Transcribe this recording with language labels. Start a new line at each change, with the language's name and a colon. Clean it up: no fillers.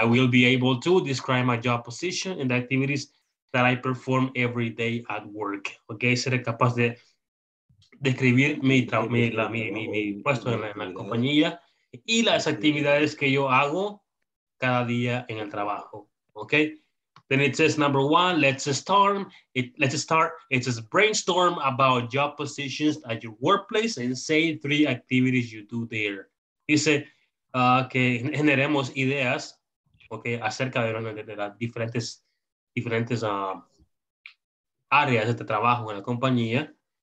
English: I will be able to describe my job position and the activities that I perform every day at work. ¿Ok?
Spanish: Seré capaz de describir mi puesto en la compañía y las actividades que yo hago cada día en el trabajo.
English: Okay. Then it says number one, let's start. It says brainstorm about job positions at your workplace and say 3 activities you do there.
Spanish: Dice que generemos ideas, okay, acerca de las diferentes áreas de trabajo en la compañía.